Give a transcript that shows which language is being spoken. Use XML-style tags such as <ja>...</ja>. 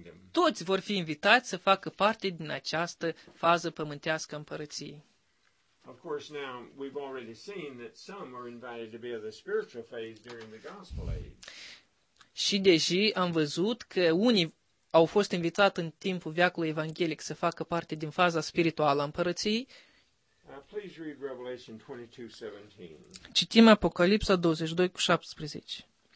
<ro>Toți vor fi invitați să facă parte din această fază pământească a împărăției.</ro> <en>Of course, now we've already seen that some are invited to be of the spiritual phase during the gospel age.</en> <ro>Și deja am văzut că unii au fost invitat în timpul veacului evanghelic să facă parte din faza spirituală a împărăției.</ro> <en>Please read Revelation 22:17.</en> <ro>Citim Apocalipsa 22:17.</ro>